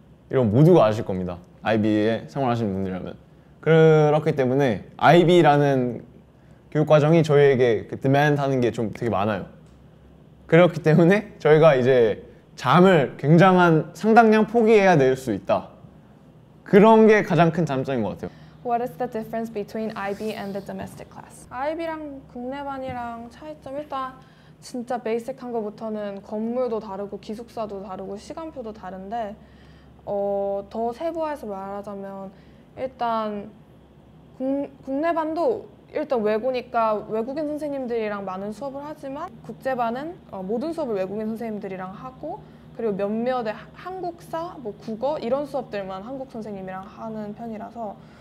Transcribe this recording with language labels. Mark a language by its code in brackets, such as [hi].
[ko] 이런 모두가 아실 겁니다. IB에 생활하시는 분들이라면 그렇기 때문에 IB라는 교육과정이 저희에게 그 demand 하는 게 좀 되게 많아요. 그렇기 때문에 저희가 이제 잠을 굉장한 상당량 포기해야 될 수 있다. 그런 게 가장 큰 장점인 것 같아요. [en] What is the difference between IB and the domestic class? [ko] IB랑 국내반이랑 차이점 일단 진짜 베이직한 것부터는 건물도 다르고 기숙사도 다르고 시간표도 다른데 더 세부화해서 말하자면 일단 국내반도 일단 외고니까 외국인 선생님들이랑 많은 수업을 하지만 국제반은 모든 수업을 외국인 선생님들이랑 하고 그리고 몇몇의 한국사, 뭐 국어 이런 수업들만 한국 선생님이랑 하는 편이라서